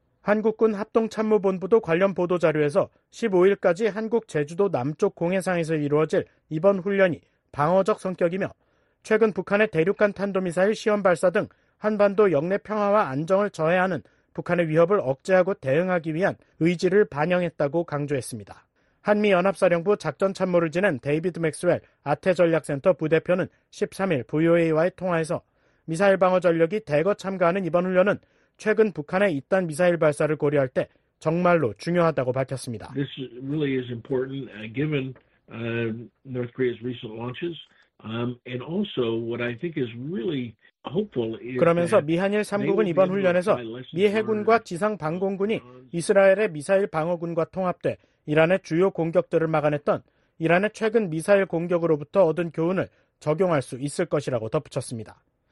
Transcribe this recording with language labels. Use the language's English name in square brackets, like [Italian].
[Korean] 한국군 합동참모본부도 관련 보도자료에서 15일까지 한국 제주도 남쪽 공해상에서 이루어질 이번 훈련이 방어적 성격이며 최근 북한의 대륙간 탄도미사일 시험 발사 등 한반도 역내 평화와 안정을 저해하는 북한의 위협을 억제하고 대응하기 위한 의지를 반영했다고 강조했습니다. 한미연합사령부 작전참모를 지낸 데이비드 맥스웰 아태전략센터 부대표는 13일 VOA와의 통화에서 미사일 방어 전력이 대거 참가하는 이번 훈련은 최근 북한의 잇단 미사일 발사를 고려할 때 정말로 중요하다고 밝혔습니다. [English] This really is important given North Korea's recent launches. And also what I think is really [Korean] 그러면서 미한일 3국은 이번 훈련에서 미 해군과 지상 방공군이 이스라엘의 미사일 방어군과 통합돼 이란의 주요 공격들을 막아냈던 이란의 최근 미사일 공격으로부터 얻은 교훈을 적용할 수 있을 것이라고 덧붙였습니다.